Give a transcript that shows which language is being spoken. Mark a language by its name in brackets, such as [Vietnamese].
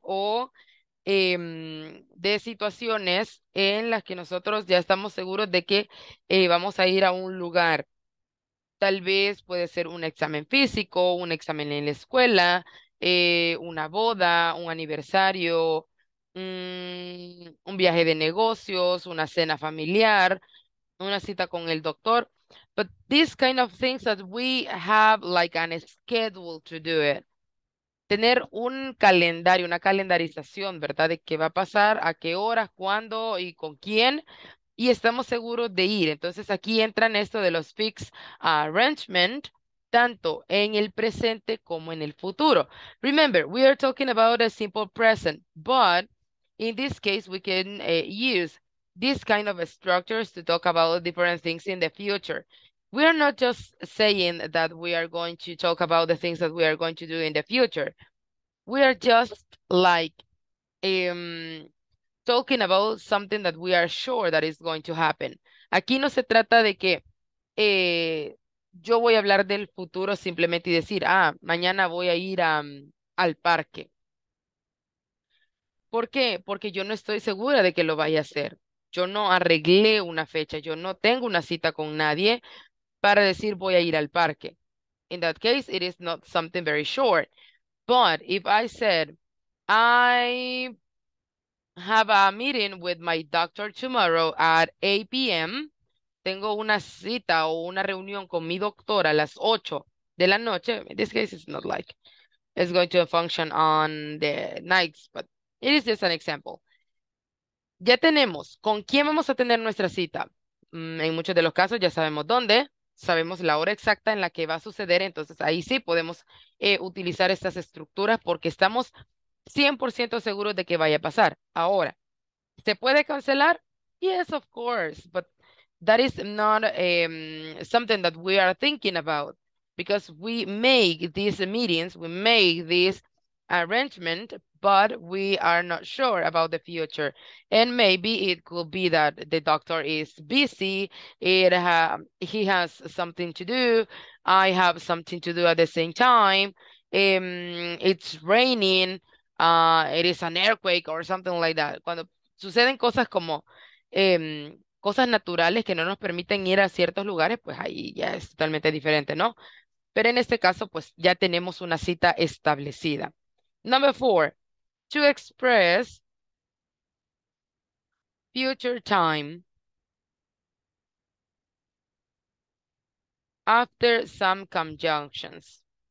[Spanish] O de situaciones en las que nosotros ya estamos seguros de que vamos a ir a un lugar. Tal vez puede ser un examen físico, un examen en la escuela, una boda, un aniversario, un viaje de negocios, una cena familiar, una cita con el doctor. [English] But these kind of things that we have like an schedule to do it. [Spanish] Tener un calendario, una calendarización, ¿verdad? De qué va a pasar, a qué horas, cuándo y con quién. Y estamos seguros de ir. Entonces aquí entran esto de los fixed arrangement, tanto en el presente como en el futuro. [English] Remember, we are talking about a simple present. But in this case, we can use these kind of structures to talk about different things in the future. We are not just saying that we are going to talk about the things that we are going to do in the future. We are just like talking about something that we are sure that is going to happen. [Spanish] Aquí no se trata de que yo voy a hablar del futuro simplemente y decir, ah, mañana voy a ir al parque. ¿Por qué? Porque yo no estoy segura de que lo vaya a hacer. Yo no arreglé una fecha, yo no tengo una cita con nadie para decir voy a ir al parque. [English] In that case, it is not something very short. But if I said, I have a meeting with my doctor tomorrow at 8 p.m., [Spanish] tengo una cita o una reunión con mi doctor a las 8 de la noche, [English] in this case, it's not like it's going to function on the nights, but it is just an example. [Spanish] Ya tenemos con quién vamos a tener nuestra cita. En muchos de los casos ya sabemos dónde, sabemos la hora exacta en la que va a suceder, entonces ahí sí podemos utilizar estas estructuras porque estamos 100% seguros de que vaya a pasar. Ahora, ¿se puede cancelar? [English] Yes, of course, but that is not something that we are thinking about because we make these meetings, we make this arrangement, but we are not sure about the future. And maybe it could be that the doctor is busy, he has something to do, I have something to do at the same time, it's raining, it is an earthquake or something like that. [Spanish] Cuando suceden cosas como cosas naturales que no nos permiten ir a ciertos lugares, pues ahí ya es totalmente diferente, ¿no? Pero en este caso, pues ya tenemos una cita establecida. [English] Number four, to express future time after some conjunctions.